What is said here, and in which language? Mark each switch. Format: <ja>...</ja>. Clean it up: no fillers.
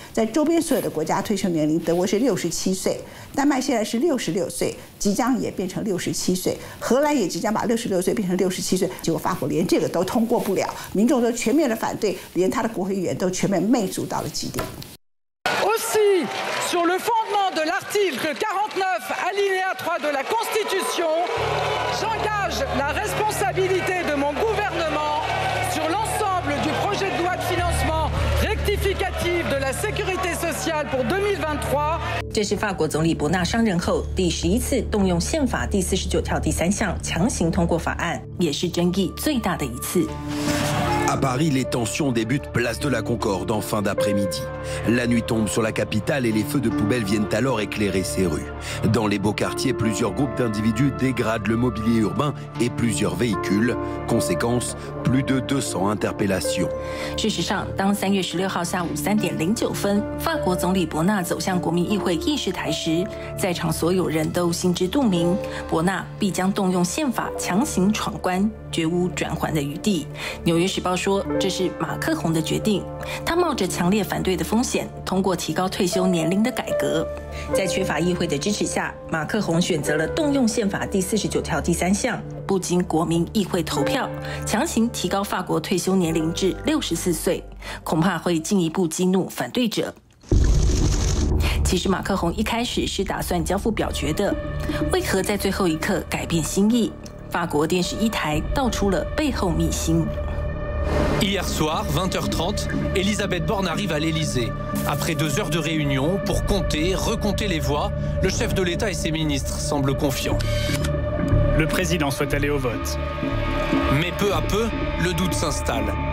<zh>在周边所有的国家退休年龄，德国是67岁，丹麦现在是66岁，即将也变成67岁，荷兰也即将把66岁变成67岁，结果法国连这个都通过不了，民众都全面的反对，连他的国会议员都全面媚俗到了极点。</zh> <fr>Aussi, sur le fondement de l'article 49 alinéa 3 de la Constitution, j'engage la responsabilité de mon gouvernement sur l'ensemble du projet de loi de financement rectificative de la la sécurité sociale pour 2023.</fr> <zh>这是法国总理伯纳上任后第十一次动用宪法第四十九条第三项强行通过法案，也是争议最大的一次。</zh> <fr>À Paris, les tensions débutent place de la Concorde en fin d'après-midi. La nuit tombe sur la capitale et les feux de poubelle viennent alors éclairer ces rues. Dans les beaux quartiers, plusieurs groupes d'individus dégradent le mobilier urbain et plusieurs véhicules. Conséquence, plus de 200 interpellations.</fr> <zh>事实上，当三月十六号下午三点零九分，法国总理伯纳走向国民议会议事台时，在场所有人都心知肚明，伯纳必将动用宪法强行闯关。绝无转圜的余地。纽约时报说，这是马克宏的决定，他冒着强烈反对的风险，通过提高退休年龄的改革。在缺乏议会的支持下，马克宏选择了动用宪法第四十九条第三项，不经国民议会投票，强行提高法国退休年龄至六十四岁，恐怕会进一步激怒反对者。其实马克宏一开始是打算交付表决的，为何在最后一刻改变心意？法国电视一台道出了背后秘辛。</zh> <fr>Hier soir, 20h30, Elisabeth Borne arrive à l'Elysée. Après deux heures de réunion pour compter, recompter les voix, le chef de l'État et ses ministres semblent confiants. Le président souhaite aller au vote. Mais peu à peu, le doute s'installe.</fr>